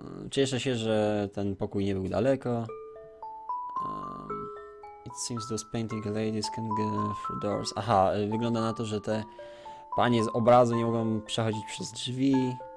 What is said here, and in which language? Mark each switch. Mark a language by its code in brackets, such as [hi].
[pl] Cieszę się, że ten pokój nie był daleko. [en] It seems those painting ladies can go through doors. [pl] Aha, wygląda na to, że te panie z obrazu nie mogą przechodzić przez drzwi.